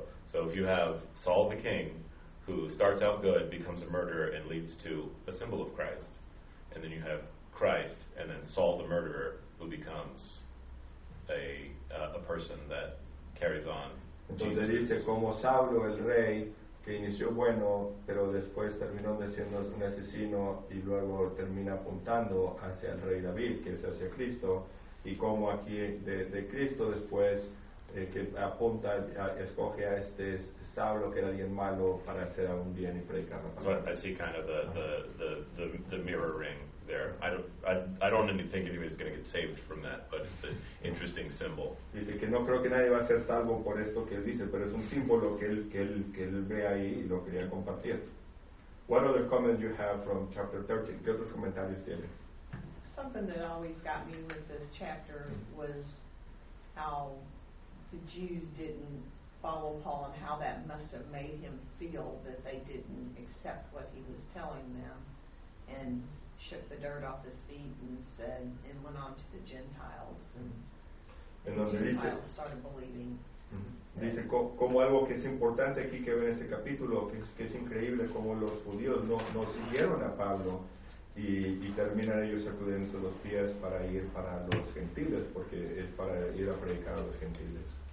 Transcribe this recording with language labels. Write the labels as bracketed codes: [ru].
[en] So if you have Saul the king, who starts out good, becomes a murderer, and leads to a symbol of Christ, and then you have Christ, and then Saul the murderer, who becomes a person that carries on. [es] Entonces dice como Saulo el rey. Que inició bueno, pero después terminó siendo un asesino y luego termina apuntando hacia el rey David, que es hacia Cristo, y como aquí de Cristo después que apunta escoge a este Saulo que era bien malo para hacer algún bien y predicar la palabra. [en] So I see kind of the mirroring there. I don't think anybody's going to get saved from that, but it's an interesting symbol. [es] Dice que no creo que nadie va a ser salvo por esto que él dice, pero es un símbolo que él ve ahí y lo quería compartir. [en] What other comments you have from chapter 13? [es] ¿Qué otros comentarios tiene? [en] Something that always got me with this chapter was how the Jews didn't follow Paul and how that must have made him feel that they didn't accept what he was telling them and shook the dirt off his feet and said and went on to the Gentiles and the Gentiles started believing. Mm-hmm. [es] Dice como algo que es importante aquí que ve en este capítulo que es increíble como los judíos no siguieron a Pablo y terminan ellos sacudiendo los pies para ir para los gentiles porque es para ir a predicar a los gentiles.